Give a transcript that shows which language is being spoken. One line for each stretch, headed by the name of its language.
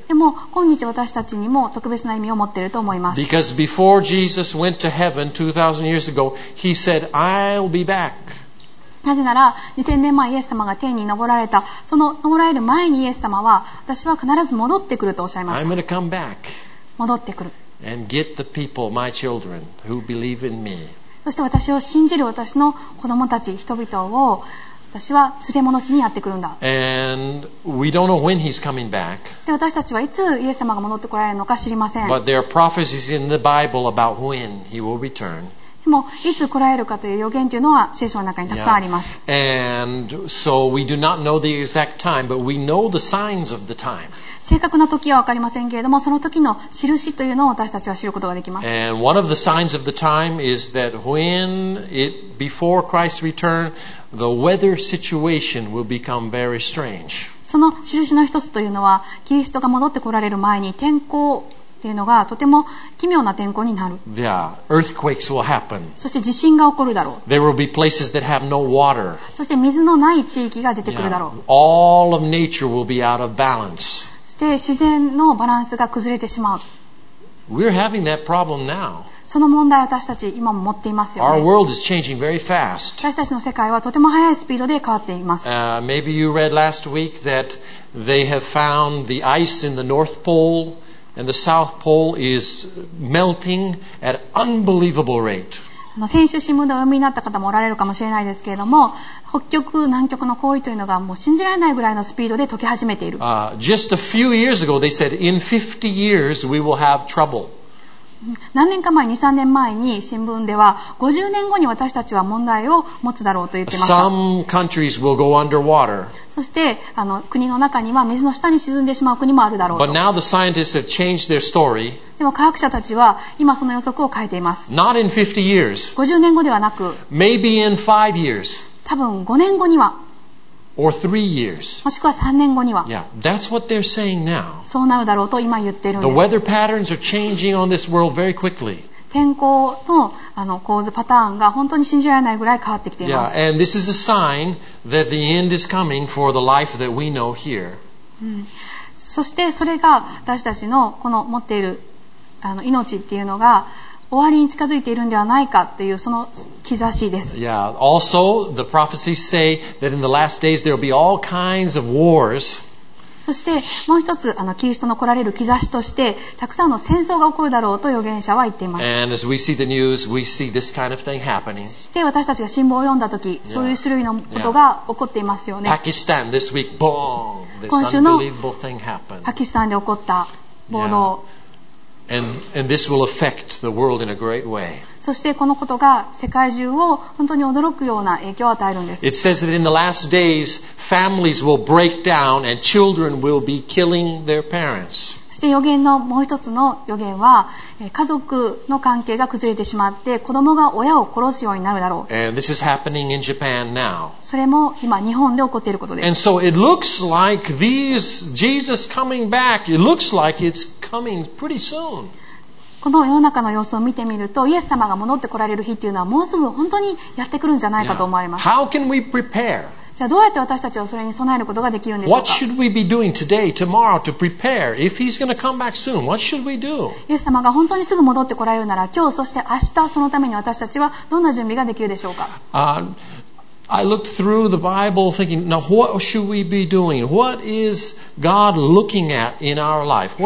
Japanese: でも今日私たちにも特別な意味を持っていると思います。
English: Because before Jesus went to heaven 2000 years ago, he said, I'll be back.
Japanese: なぜなら2000年前イエス様が天に昇られた、その昇られる前にイエス様は、私は必ず戻ってくるとおっしゃいました。
English: I'm going to come back.
Japanese: 戻ってくる。
English: And get the people, my children, who believe in me.
Japanese: そして私を信じる私の子供たち、人々を私は連れ戻しにやってくるんだ。
English: And we don't know when he's coming back.
Japanese: そして私たちはいつイエス様が戻ってこられるのか知りません。
English: But there are prophecies in the Bible about when he will return.
Japanese: でもいつ来られるかという予言というのは聖書の中にたくさんあります。
English: Yeah. And so we do not know the exact time, but we know the signs of the time.
Japanese: 正確な時は分かりませんけれども、その時の印というのを私たちは知ることができます。
English: And one of the signs of the time is that when it before Christ's return, the weather situation will become very strange.
Japanese: その印の一つというのは、キリストが戻って来られる前に天候というのがとても奇妙な天候になる。
English: Yeah, earthquakes will happen.
Japanese: そして地震が起こるだろう。
English: There will be places that have no water.
Japanese: そして水のない地域が出てくるだろう。
English: Yeah, all of nature will be out of balance.
Japanese: そして自然のバランスが崩れてしまう。
English: We're having that problem now.
Japanese: その問題私たち今も持っていますよね。
English: Our world is changing very fast.
Japanese: 私たちの世界はとても速いスピードで変わっています。
English: Maybe you read last week that they have found the ice in the North Pole. And the South Pole is melting at unbelievable rate.
Japanese: 先週新聞でお読みになった方もおられるかもしれないですけれども、北極、南極の氷というのがもう信じられないぐらいのスピードで溶け始めている。
English: Just a few years ago, they said, in 50 years, we will have trouble.
Japanese: 何年か前、2、3年前に新聞では、50年後に私たちは問題を持つだろうと言ってました。
English: Some countries will go underwater.
Japanese: そして国の中には水の下に沈んでしまう国もあるだろうと。でも科学者たちは今その予測を変えています。
English: Not in 50 years.
Japanese: 50年後ではなく、
English: Maybe in 5 years.
Japanese: 多分5年後には。
English: or 3 years.
Japanese: もしくは3年後には。
English: Yeah, that's what they're saying now.
Japanese: そうなるだろうと今言っているんです。
English: The weather patterns are changing on this world very quickly.
Japanese: 天候 の, あの構図パターンが本当に信じられないぐらい変わってきています。
English: Yeah, and this is a sign that the end is coming for the life that we know here.、
Japanese: うん、そしてそれが私たちのこの持っているあの命っていうのが終わりに近づいているのではないかというその兆しです。
English: Yeah, also the prophecies say that in the last days there will be all kinds of wars.
Japanese: そしてもう一つあのキリストの来られる兆しとしてたくさんの戦争が起こるだろうと預言者は言っています。
English: And as we see the news, we see this kind of thing happening.
Japanese: そして私たちが新聞を読んだ時、そういう種類のことが起こっていますよね。
English: Pakistan this week, boom, this unbelievable thing happened.
Japanese: パキスタンで起こった暴動。
English: And this will affect the world in a great way.
Japanese: そしてこのことが世界中を本当に驚くような影響を与えるんです。
English: It says that in the last days, families will break down and children will be killing their parents.
Japanese: そして予言のもう一つの予言は、家族の関係が崩れてしまって、子供が親を殺すようになるだろう。
English: And this is happening in Japan now.
Japanese: それも今日本で起こっていることです。
English: And so it looks like these Jesus coming back. It looks like it's coming pretty soon.
Japanese: この世の中の様子を見てみると、イエス様が戻ってこられる日っていうのはもうすぐ本当にやってくるんじゃないかと思われます。
English: Now, how can we prepare?
Japanese: じゃあどうやって私たちはそれに備えることができるんでしょうか。
English: What should we be doing today, tomorrow to prepare if he's going to come back soon? What should we do?
Japanese: イエス様が本当にすぐ戻ってこられるなら、今日そして明日そのために私たちはどんな準備ができるでしょうか。
English: I looked through the Bible thinking, now what should we be doing? What is God looking at in our life?